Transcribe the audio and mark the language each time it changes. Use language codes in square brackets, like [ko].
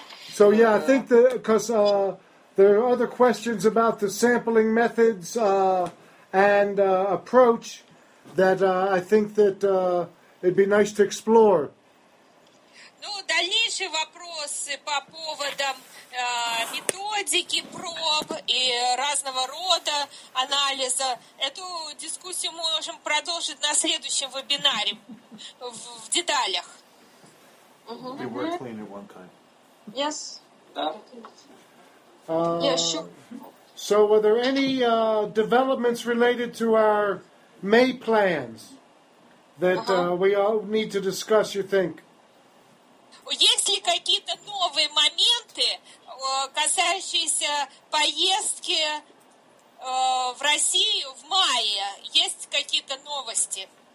[en] So yeah, I think that because there are other questions about the sampling methods and approach that I think that it'd be nice to explore. [ru] Ну, дальнейшие вопросы по поводам методики проб и разного рода анализа. Эту дискуссию мы можем продолжить на следующем вебинаре в деталях. [en] They were clean at one time. Yes. Yeah, sure. So were there any developments related to our May plans that we all need to discuss, you think? [ru] Есть ли какие-то новые моменты, касающиеся поездки в Россию в мае? Есть какие-то новости?